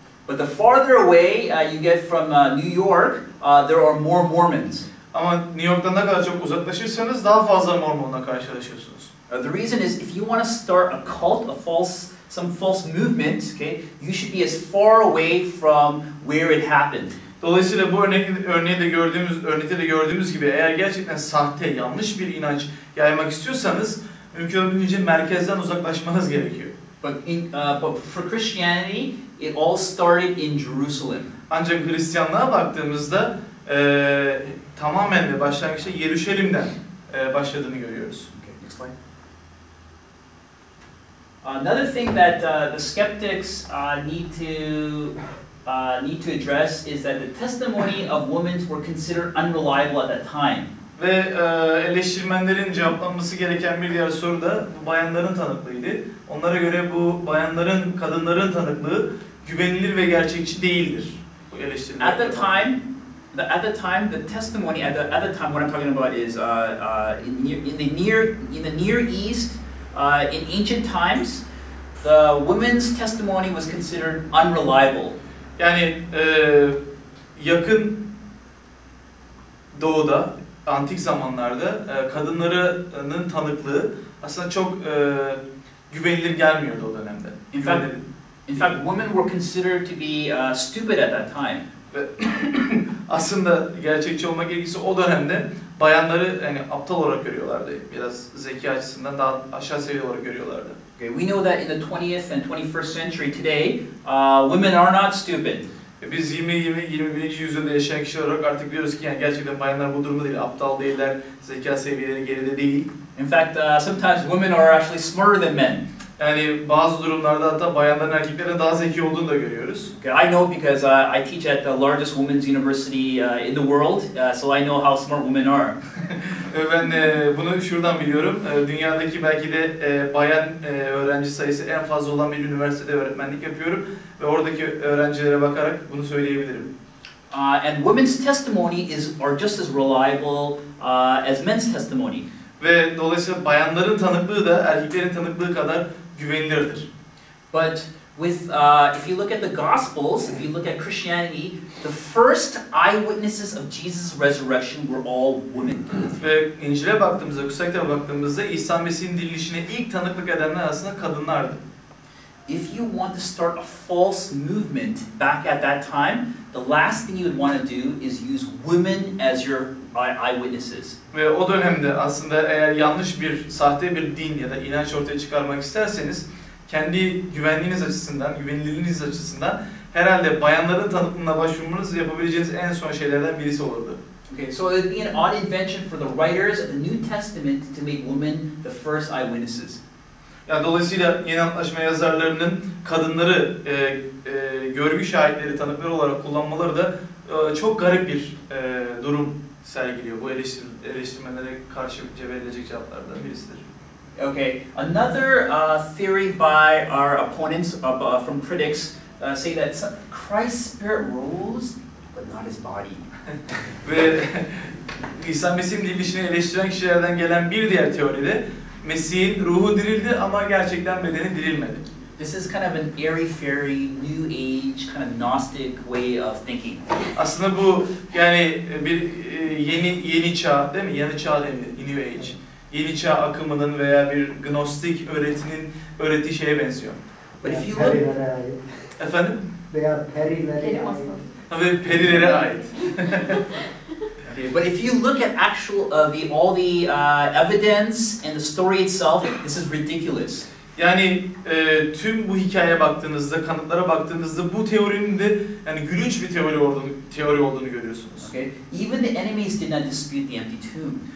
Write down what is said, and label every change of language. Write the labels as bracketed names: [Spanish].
[English] But the farther away you get from New York, there are more Mormons. [Turkish] Ama New York'tan ne kadar çok uzaklaşırsanız daha fazla Mormon'la karşılaşıyorsunuz. [English] The reason is if you want to start a cult, some false movement, okay, you should be as far away from where it happened. [Turkish] Dolayısıyla bu örnekte de gördüğümüz gibi eğer gerçekten sahte, yanlış bir inanç yaymak istiyorsanız mümkün olduğunca merkezden uzaklaşmanız gerekiyor. [English] But for Christianity, it all started in Jerusalem. [Turkish] Ancak Hristiyanlığa baktığımızda tamamen de başlangıçta Yeruşalim'den başladığını görüyoruz. [English] Okay, next slide. Another thing that the skeptics need to address is that the testimony of women were considered unreliable at that time. [Turkish] Ve eleştirmenlerin cevaplanması gereken bir diğer soru da bu bayanların tanıklığıydı. Onlara göre bu bayanların, kadınların tanıklığı güvenilir ve gerçekçi değildir. Bu eleştirmen. [English] At the time what I'm talking about is in the Near East in ancient times the women's testimony was considered unreliable. [Turkish] Yani yakın doğuda antik zamanlarda kadınların tanıklığı aslında çok güvenilir gelmiyordu o dönemde. [English] In fact women were considered to be stupid at that time. [Turkish] Aslında gerçekçi olmak ilgisi o dönemde bayanları yani aptal olarak görüyorlardı. Biraz zeki açısından daha aşağı seviye olarak görüyorlardı. [English] Okay, we know that in the 20th and 21st century today, women are not stupid. [Turkish] Biz 21. yüzyılda yaşayan kişi olarak artık biliyoruz ki yani gerçekten bayanlar bu durumda değil, aptal değiller, zeka seviyeleri geride değil. [English] In fact, sometimes women are actually smarter than men. [Turkish] Yani bazı durumlarda hatta bayanların erkeklerin daha zeki olduğunu da görüyoruz. [English] Okay, I know because I teach at the largest women's university in the world, so I know how smart women are. [Turkish] Ben bunu şuradan biliyorum. Dünyadaki belki de bayan öğrenci sayısı en fazla olan bir üniversitede öğretmenlik yapıyorum ve oradaki öğrencilere bakarak bunu söyleyebilirim. [English] And women's testimony are just as reliable as men's testimony. [Turkish] Ve dolayısıyla bayanların tanıklığı da erkeklerin tanıklığı kadar güvenilirdir. [English] But with if you look at the Gospels, if you look at Christianity, the first eyewitnesses of Jesus' resurrection were all women. [Turkish] Ve İncil'e baktığımızda, Kutsal Kitap'a baktığımızda İsa Mesih'in dirilişine ilk tanıklık edenler aslında kadınlardı. [English] If you want to start a false movement back at that time, the last thing you would want to do is use women as your eyewitnesses. [Turkish] Ve o dönemde aslında eğer yanlış bir, sahte bir din ya da inanç ortaya çıkarmak isterseniz, kendi güvenliğiniz açısından, güvenilirliğiniz açısından herhalde bayanların tanıklığına başvurmanız yapabileceğiniz en son şeylerden birisi olurdu. [English] Okay, so it would be an odd invention for the writers of the New Testament to make women the first eyewitnesses. [Turkish] Yani dolayısıyla Yeni Antlaşma yazarlarının kadınları görgü şahitleri, tanıkları olarak kullanmaları da çok garip bir durum sergiliyor. Bu eleştirmelere karşı verilecek cevaplardan birisidir. [English] Okay, another theory by our opponents from critics say that Christ's spirit rules, but not his body. [Turkish] Ve İsa Mesih'in dirilişini eleştiren kişilerden gelen bir diğer teoride Mesih'in ruhu dirildi ama gerçekten bedeni dirilmedi. [English] This is kind of an airy fairy, new age, kind of Gnostic way of thinking. [Turkish] Aslında bu yani bir yeni çağ değil mi? Yeni çağ demeyeyim, new age. Yeni çağ akımının veya bir Gnostik öğretinin öğrettiği şeye benziyor. [English] But if you look... [Turkish] Perilere ait. Efendim? Veya perilere ait. Ve perilere ait. [English] But if you look at actual the evidence and the story itself, this is ridiculous. [Turkish] Yani tüm bu hikayeye baktığınızda, kanıtlara baktığınızda bu teorinin de yani gülünç bir teori olduğunu görüyorsunuz. [English] Okay. Even the enemies did not dispute the empty tomb.